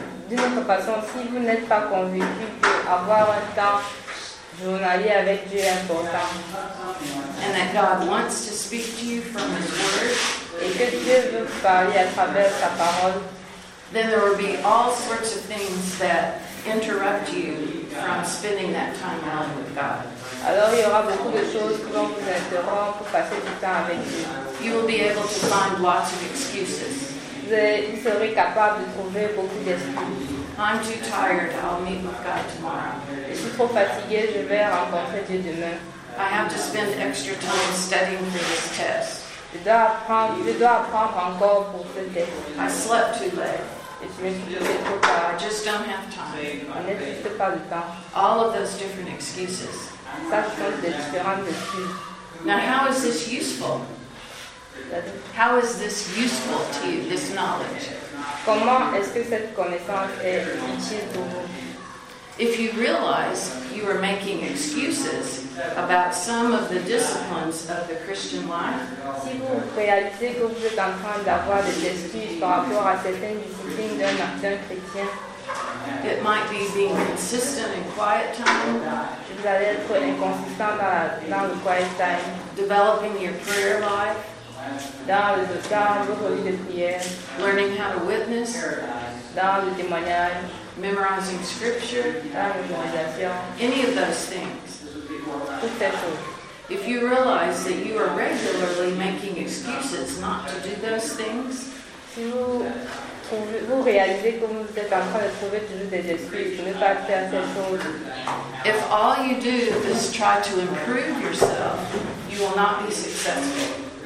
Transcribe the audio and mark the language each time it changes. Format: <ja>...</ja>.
<fr>D'une autre façon, si vous n'êtes pas convaincu qu'avoir un temps journalier avec Dieu est important,</fr> <en>and that God wants to speak to you from His Word,</en> <fr>et que Dieu veut vous parler à travers sa parole,</fr> <en>then there will be all sorts of things that interrupt you from spending that time alone with God.</en> <fr>Alors, il y aura beaucoup de choses qui vont vous interrompre pour passer du temps avec Dieu.</fr> <en>You will be able to find lots of excuses.</en> <fr>Vous serez capable de trouver beaucoup d'excuses.</fr> <en>I'm too tired. I'll meet with God tomorrow.</en> <fr>Je suis trop fatigué. Je vais rencontrer Dieu demain.</fr> <en>I have to spend extra time studying for this test.</en> <fr>Je dois apprendre encore pour ce test.</fr> <en>I slept too late.</en> <fr>Et je me suis couché trop tard.</fr> <en>I just don't have time.</en> <fr>On n'a juste pas le temps.</fr> <en>All of those different excuses.</en> <fr>Ça, ce sont des différentes excuses.</fr> <en>Now, how is this useful? How is this useful to you, this knowledge?</en> <fr>Comment est-ce que cette connaissance est utile pour vous?</fr> <en>If you realize you are making excuses about some of the disciplines of the Christian life,</en> <fr>si vous réalisez que vous êtes en train d'avoir des excuses par rapport à certaines disciplines d'un chrétien,</fr> <en>it might be being consistent in quiet time.</en> <fr>Vous allez être inconsistant dans le quiet time.</fr> <en>Developing your prayer life.</en> <fr>Dans le temps de prière.</fr> <en>Learning how to witness.</en> <fr>Dans le témoignage.</fr> <en>Memorizing scripture.</en> <fr>Dans la mémorisation.</fr> <en>Any of those things.</en> <fr>Toutes ces choses.</fr> <en>If you realize that you are regularly making excuses not to do those things,</en> <fr>si vous réalisez que vous êtes en train de trouver toujours des excuses pour ne pas faire ces choses,</fr> <en>if all you do is try to improve yourself, you will not be successful.</en>